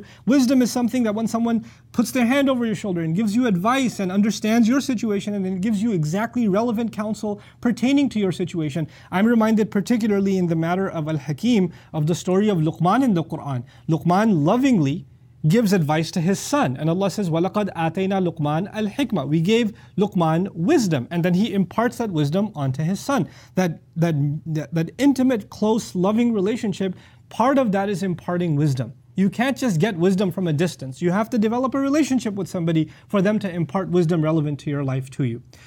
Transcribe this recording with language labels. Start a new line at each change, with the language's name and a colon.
English: Wisdom is something that when someone puts their hand over your shoulder and gives you advice and understands your situation and then gives you exactly relevant counsel pertaining to your situation. I'm reminded particularly in the matter of Al-Hakim of the story of Luqman in the Quran. Luqman lovingly gives advice to his son. And Allah says,
Arabic: وَلَقَدْ آتَيْنَا لُقْمَانَ الْحِكْمَةِ.
English: We gave Luqman wisdom. And then he imparts that wisdom onto his son. That intimate, close, loving relationship, part of that is imparting wisdom. You can't just get wisdom from a distance. You have to develop a relationship with somebody for them to impart wisdom relevant to your life to you.